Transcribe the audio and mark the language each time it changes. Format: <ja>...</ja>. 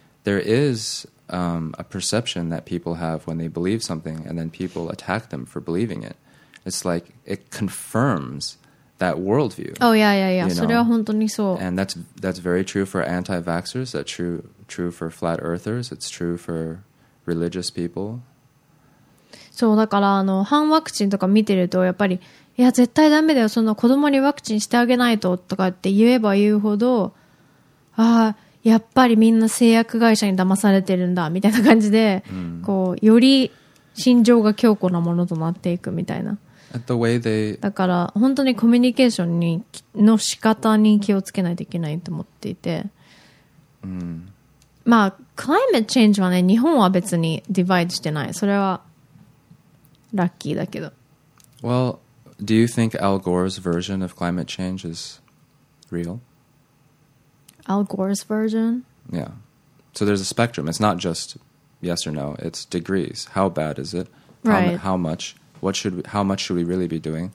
<en>There is a perception that people have when they believe something, and then people attack them for believing it. It's like it confirms that worldview. Oh, yeah. You know? And that's very true for anti-vaxxers, that's true for flat earthers, it's true for religious people.</en> <ja>そうだから、あの反ワクチンとか見てると、やっぱりいや絶対ダメだよ、その子供にワクチンしてあげないととかって言えば言うほど、あ、やっぱりみんな製薬会社に騙されてるんだみたいな感じで、こうより心情が強固なものとなっていくみたいな。</ja> <en>The way they...</en> <ja>だから本当にコミュニケーションにの仕方に気をつけないといけないと思っていて、まあ、climate change はね、日本は別に divide してない。それはラッキーだけど。</ja> <en>Well, do you think Al Gore's version of climate change is real? Al Gore's version? Yeah. So there's a spectrum. It's not just yes or no. It's degrees. How bad is it? Right. How much? What should we, how much should we really be doing?</en>